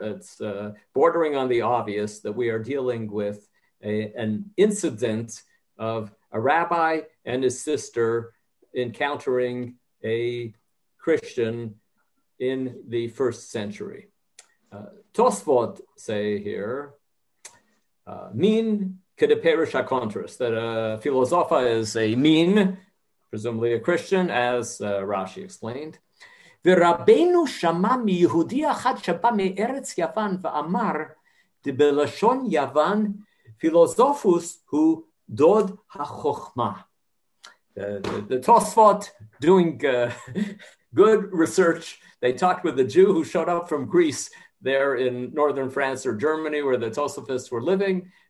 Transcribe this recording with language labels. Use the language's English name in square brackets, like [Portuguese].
[English] It's bordering on the obvious that we are dealing with an incident of a rabbi and his sister encountering a Christian in the first century. Tosfot say here, [Hebrew] mean kedeperish hakontras, [English] that a philosopha is a mean, presumably a Christian, as Rashi explained. [Hebrew] ורבנו שמע מיהודי אחד שבא מארץ יוון ואמר, בלשון יוון, פילוסופוס הוא דוד החוכמה. [English] The Tosfot doing good research. They talked with the Jew who showed up from Greece there in northern France or Germany where the Tosafists were living.